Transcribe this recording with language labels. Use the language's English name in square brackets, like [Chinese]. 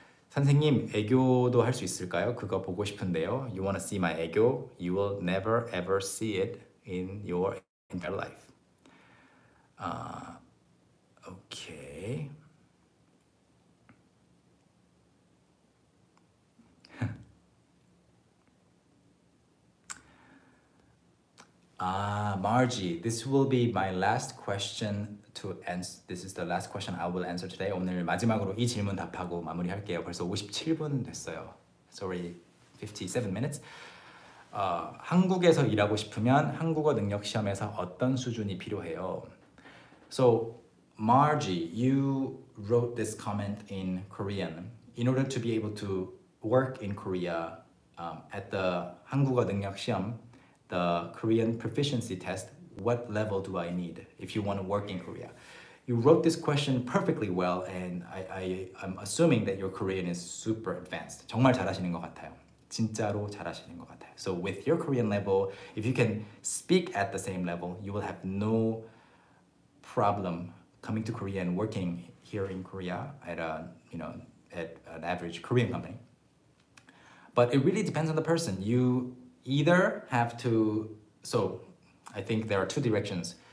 [Korean] 선생님, 애교도 할 수 있을까요? 그거 보고 싶은데요. [English] You want to see my 애교? You will never ever see it in your entire life. Okay. Margie, this will be my last question to answer. This is the last question I will answer today. [Korean] 오늘 마지막으로 이 질문 답하고 마무리할게요. 벌써 57분 됐어요. [English] Sorry, 57 minutes. [Korean] 한국에서 일하고 싶으면 한국어 능력 시험에서 어떤 수준이 필요해요? [English] So, Margie, you wrote this comment in Korean. In order to be able to work in Korea at the 한국어 능력 시험, the Korean proficiency test, what level do I need if you want to work in Korea? You wrote this question perfectly well, and I'm assuming that your Korean is super advanced. [Korean] 정말 잘하시는 것 같아요. 진짜로 잘하시는 것 같아요. [English] So with your Korean level, if you can speak at the same level, you will have no problem coming to Korea and working here in Korea at a, you know, at an average Korean company. But it really depends on the person. You either have to, so I think there are two directions.